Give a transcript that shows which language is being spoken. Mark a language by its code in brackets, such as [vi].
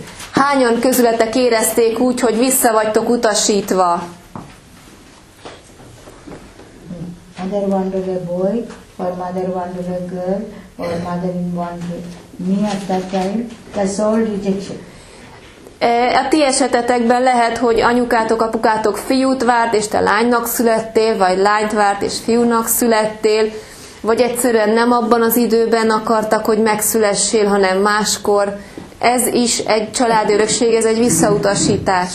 [hu] Hányan közületek érezték úgy, hogy vissza vagytok utasítva? [en] mother wanted a boy, or mother wanted a girl, or mother wanted me at that time, that's all rejection. [hu] A ti esetetekben lehet, hogy anyukátok, apukátok fiút várt, és te lánynak születtél, vagy lányt várt, és fiúnak születtél, vagy egyszerűen nem abban az időben akartak, hogy megszülessél, hanem máskor. Ez is egy családi örökség, ez egy visszautasítás.